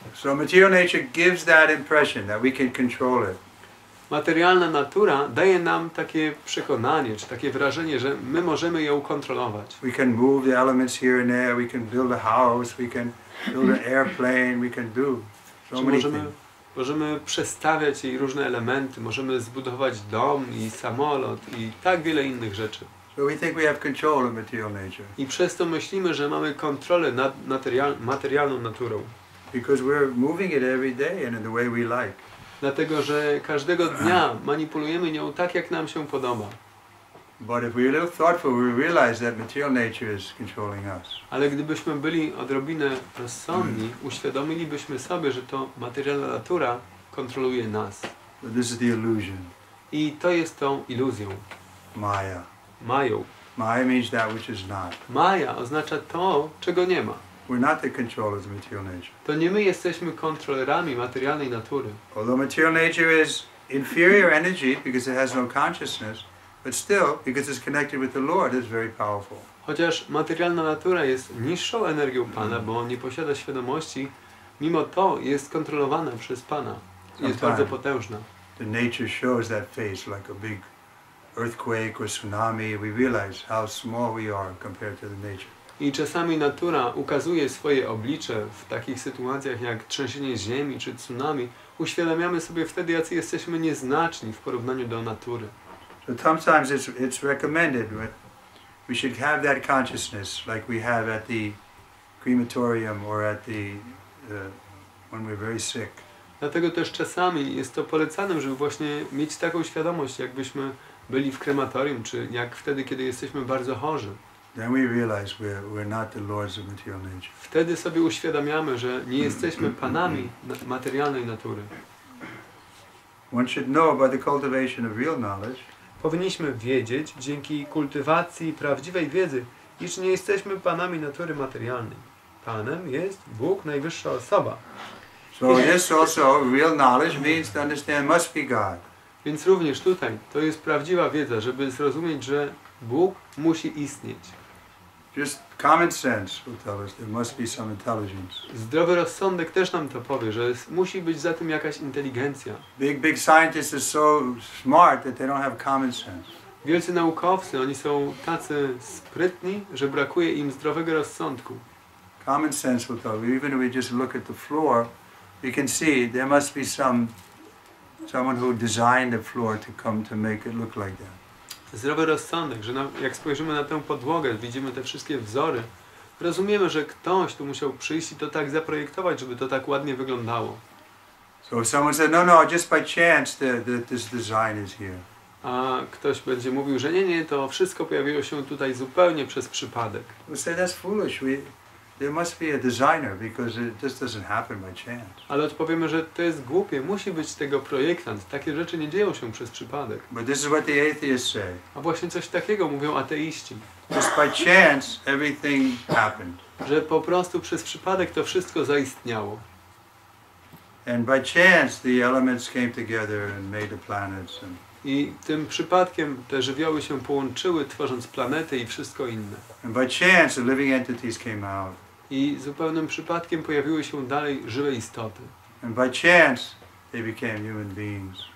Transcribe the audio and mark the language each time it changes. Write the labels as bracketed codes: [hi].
[en] So material nature gives that impression that we can control it. [pl] Materialna natura daje nam takie przekonanie, czy takie wrażenie, że my możemy ją kontrolować. [en] We can move the elements here and there, we can build a house, we can build an airplane, we can do so many things. [pl] Możemy przestawiać jej różne elementy, możemy zbudować dom i samolot i tak wiele innych rzeczy. [en] So we think we have control of material nature. [pl] I przez to myślimy, że mamy kontrolę nad materialną naturą. [en] Because we're moving it every day and in the way we like. [pl] Dlatego, że każdego dnia manipulujemy nią tak, jak nam się podoba. [en] But if we're a little thoughtful, we realize that material nature is controlling us. [pl] Ale gdybyśmy byli odrobinę rozsądni, uświadomilibyśmy sobie, że to materialna natura kontroluje nas. [en] But this is the illusion. [pl] I to jest tą iluzją. [en] Maya. [pl] Mayu. [en] Maya means that which is not. [pl] Maya oznacza to, czego nie ma. [en] We're not the controllers of material nature. [pl] To nie my jesteśmy kontrolerami materialnej natury. [en] Although material nature is inferior energy because it has no consciousness, but still, because it's connected with the Lord, it's very powerful. [pl] Chociaż materialna natura jest niższą energią Pana, bo nie posiada świadomości, mimo to jest kontrolowana przez Pana. Jest bardzo potężna. [en] The nature shows that face like a big earthquake or tsunami. We realize how small we are compared to the nature. [pl] I czasami natura ukazuje swoje oblicze w takich sytuacjach jak trzęsienie ziemi czy tsunami. Uświadamiamy sobie wtedy, jacy jesteśmy nieznaczni w porównaniu do natury. [en] Sometimes it's recommended that we should have that consciousness like we have at the crematorium or at the when we're very sick. [pl] Dlatego też czasami jest to polecane, żeby właśnie mieć taką świadomość, jakbyśmy byli w krematorium, czy jak wtedy, kiedy jesteśmy bardzo chorzy. [en] Then we realize we're not the lords of material nature. [pl] Wtedy sobie uświadamiamy, że nie jesteśmy panami materialnej natury. [en] One should know by the cultivation of real knowledge. [pl] Powinniśmy wiedzieć dzięki kultywacji prawdziwej wiedzy, iż nie jesteśmy panami natury materialnej. Panem jest Bóg, najwyższa osoba. [en] So this also real knowledge means to understand must be God. [pl] Więc również tutaj to jest prawdziwa wiedza, żeby zrozumieć, że Bóg musi istnieć. [en] Just common sense will tell us there must be some intelligence. [pl] Zdrowy rozsądek też nam to powie, że musi być za tym jakaś inteligencja. [en] Big scientists are so smart that they don't have common sense. [pl] Wielcy naukowcy, oni są tacy sprytni, że brakuje im zdrowego rozsądku. [en] Common sense will tell us, even if we just look at the floor, we can see there must be someone who designed the floor to come to make it look like that. [pl] Zdrowy rozsądek, że jak spojrzymy na tę podłogę, widzimy te wszystkie wzory, rozumiemy, że ktoś tu musiał przyjść i to tak zaprojektować, żeby to tak ładnie wyglądało. [en] So someone said, no, just by chance this design is here. [pl] A ktoś będzie mówił, że nie, to wszystko pojawiło się tutaj zupełnie przez przypadek. [en] We'll say that's foolish. There must be a designer, because it just doesn't happen by chance. [pl] Ale odpowiemy, że to jest głupie. Musi być tego projektant. Takie rzeczy nie dzieją się przez przypadek. [en] But this is what the atheists say. [pl] A właśnie coś takiego mówią ateiści. [en] Just by chance, everything happened. [pl] Że po prostu przez przypadek to wszystko zaistniało. [en] And by chance, the elements came together and made the planets. And... [pl] I tym przypadkiem te żywioły się połączyły, tworząc planety i wszystko inne. [en] And by chance, the living entities came out. [pl] I zupełnym przypadkiem pojawiły się dalej żywe istoty. [en] And by chance, they became human beings.